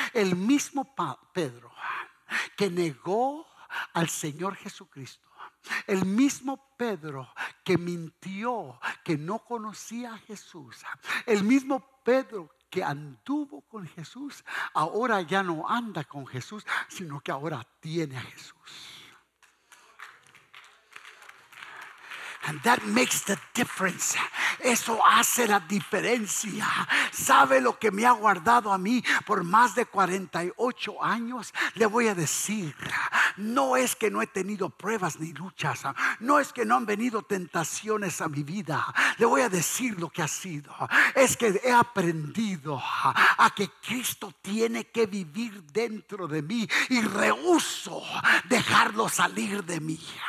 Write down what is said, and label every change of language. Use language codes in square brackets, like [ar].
[es] El mismo Pedro que negó al Señor Jesucristo, el mismo Pedro que mintió que no conocía a Jesús, el mismo Pedro que anduvo con Jesús, ahora ya no anda con Jesús, sino que ahora tiene a Jesús. [en] And that makes the difference. [es] Eso hace la diferencia. ¿Sabe lo que me ha guardado a mí por más de 48 años? Le voy a decir, No es que no he tenido pruebas ni luchas. No es que no han venido tentaciones a mi vida. Le voy a decir lo que ha sido. Es que he aprendido a que Cristo tiene que vivir dentro de mí y rehúso dejarlo salir de mí.